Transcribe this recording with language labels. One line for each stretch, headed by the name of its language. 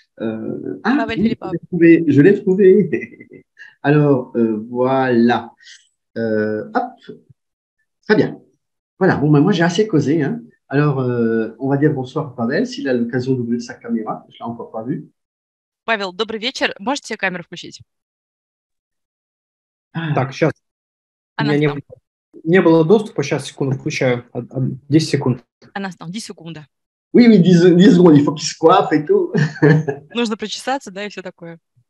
French: Ah, Pavel, il n'est oui, pas. je l'ai trouvé. Alors, voilà. Hop. Très bien. Voilà. Bon, ben moi, j'ai assez causé, hein. Alors, on va dire bonsoir à Pavel, s'il a l'occasion d'ouvrir sa caméra. Je ne l'ai encore pas vu.
Russian: Павел, добрый вечер. Можете камеру включить? Так, сейчас. У меня Анастасия. не было доступа. Сейчас, секунду, включаю. 10 секунд. Анастасия, 10 секунд.
French: Oui, 10 secondes, il faut qu'il se coiffe et tout.
Russian: Нужно причесаться, да, и все такое.